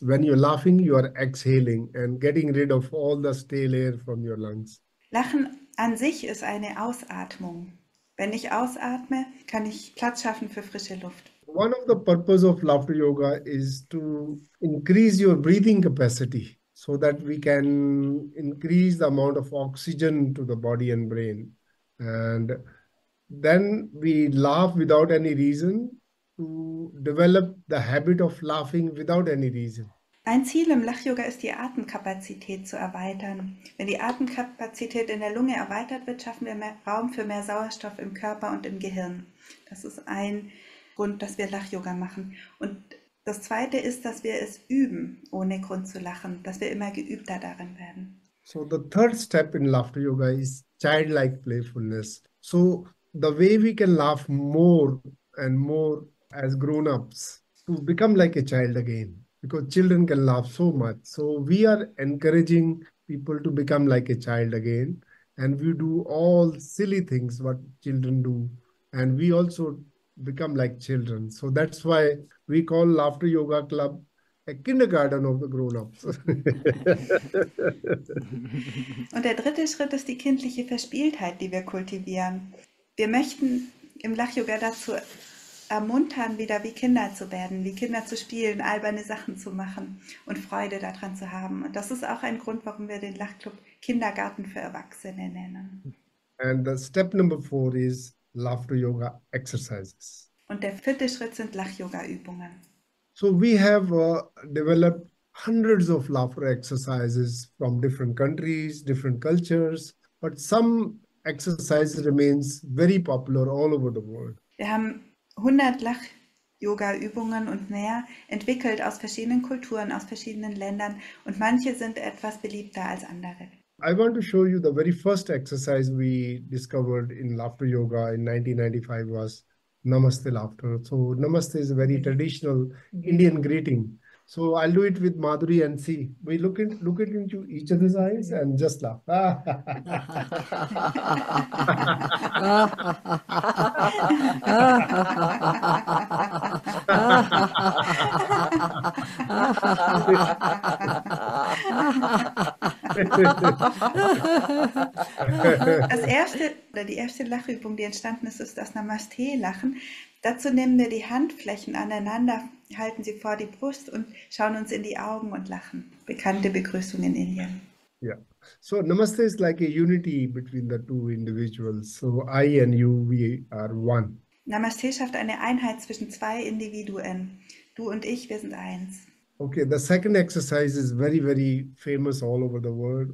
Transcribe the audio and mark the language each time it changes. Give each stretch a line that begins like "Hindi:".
English: When you're laughing, you are exhaling and getting rid of all the stale air from your lungs.
German: Lachen an sich ist eine Ausatmung. Wenn ich ausatme, kann ich Platz schaffen für frische Luft.
English: One of the purpose of laughter yoga is to increase your breathing capacity, so that we can increase the amount of oxygen to the body and brain. And then we laugh without any reason to develop the habit of laughing without any reason.
German: Ein Ziel im Lach-Yoga ist, die Atemkapazität zu erweitern. Wenn die Atemkapazität in der Lunge erweitert wird, schaffen wir mehr Raum für mehr Sauerstoff im Körper und im Gehirn. Das ist ein Grund, dass wir Lach-Yoga machen. Und das zweite ist, dass wir es üben, ohne Grund zu lachen, dass wir immer geübter darin werden.
English: So the third step in laughter yoga is childlike playfulness. So the way we can laugh more and more as grown-ups, to become like a child again, because children can laugh so much. So we are encouraging people to become like a child again, and we do all silly things what children do, and we also become like children. So that's why we call Laughter Yoga Club a kindergarten of the grown-ups.
German: Und der dritte Schritt ist die kindliche Verspieltheit, die wir kultivieren. Wir möchten im Lach-Yoga dazu ermuntern, wieder wie Kinder zu werden, wie Kinder zu spielen, alberne Sachen zu machen und Freude daran zu haben. Und das ist auch ein Grund, warum wir den Lachclub Kindergarten für Erwachsene nennen.
English: And the step number four is Laughter Yoga Exercises.
German: Und der vierte Schritt sind Lach-Yoga-Übungen.
English: So we have developed hundreds of laughter exercises from different countries, different cultures, but some exercise remains very popular all over the world.
German: Wir haben 100 Lach-Yoga-Übungen und mehr entwickelt aus verschiedenen Kulturen, aus verschiedenen Ländern und manche sind etwas beliebter als andere.
English: I want to show you the very first exercise we discovered in Laughter Yoga in 1995 was Namaste Laughter. So Namaste is a very traditional Indian greeting. So I'll do it with Madhuri and see. We look into each other's eyes and just laugh.
German: Das erste oder die erste Lachübung, die entstanden ist, ist das Namaste-Lachen. Dazu nehmen wir die Handflächen aneinander, halten sie vor die Brust und schauen uns in die Augen und lachen. Bekannte Begrüßung in Indien.
English: Yeah. So Namaste is like a unity between the two individuals. So I and you, we are one.
German: Namaste schafft eine Einheit zwischen zwei Individuen. Du und ich, wir sind eins.
English: Okay, the second exercise is very, very famous all over the world.